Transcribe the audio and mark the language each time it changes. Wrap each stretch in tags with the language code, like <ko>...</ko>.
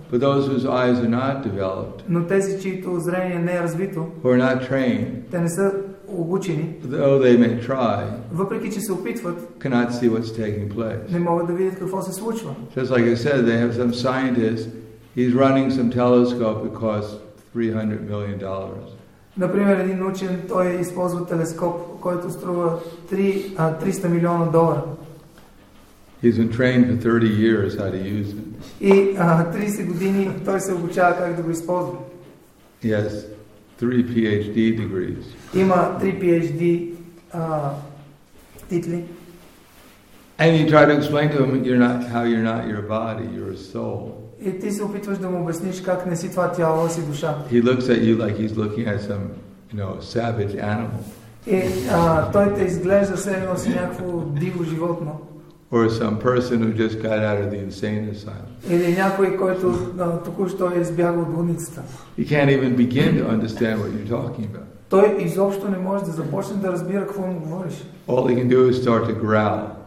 <en>But those whose eyes are not developed.</en> <bg>Но тези, чието зрение не е развито.</bg> <en>Who are not trained.</en> <bg>Те не са обучени.</bg> <en>Though they may try.</en> <bg>Въпреки че се опитват.</bg> <en>Cannot see what's taking place.</en> <bg>Не могат да видят какво се случва.</bg> <en>Just like I said, they have some scientist. He's running some telescope that costs $300 million.</en> <bg>Например, един учен, той използва телескоп, който струва 300 милиона долара.</bg> <en>He's been trained for 30 years how to use it.</en> <bg>И 30 години той се обучава как да го използва.</bg> <en>Yes, 3 PhD degrees.</en> <bg>Има 3 PhD титли.</bg> <en>And you try to explain to him you're not how you're not your body, you're a soul.</en> <bg>И ти се опитваш да му обясниш как не си това тяло, а си душа.</bg> <en>He looks at you like he's looking at some, you know, savage animal.</en> <bg>И той те изглежда все едно си някакво диво животно.</bg> <en>Or some person who just got out of the insane asylum.</en> <bg>Или някой, който току-що е избягал от болницата.</bg> <en>He can't even begin to understand what you're talking about.</en> <bg>Той изобщо не може да започне да разбира какво му говориш.</bg> <en>All he can do is start to growl.</en>